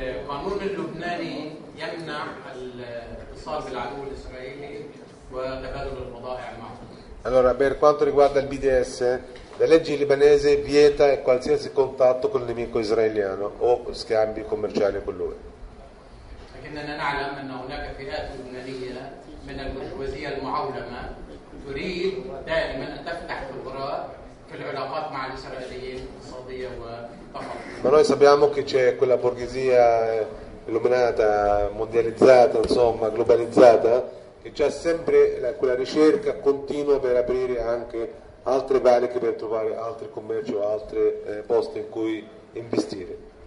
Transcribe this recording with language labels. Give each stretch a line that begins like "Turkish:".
Arabic: القانون اللبناني يمنع الاتصال بالعدو الاسرائيلي وتبادل البضائع معه.
Italian: Allora, per quanto riguarda il BDS, la legge libanese vieta qualsiasi contatto con il nemico israeliano o scambi commerciali con lui.
Arabic: لكننا نعلم ان هناك فئات لبنانيه من البرجوازيه المعولمه تريد دائما ان تفتح ثغرات في العلاقات مع الاسرائيليين الاقتصاديه و
Italian: Ma noi sappiamo che c'è quella borghesia illuminata, mondializzata, insomma, globalizzata, che c'è sempre quella ricerca continua per aprire anche altre valiche, per trovare altri commerci o altri posti in cui investire.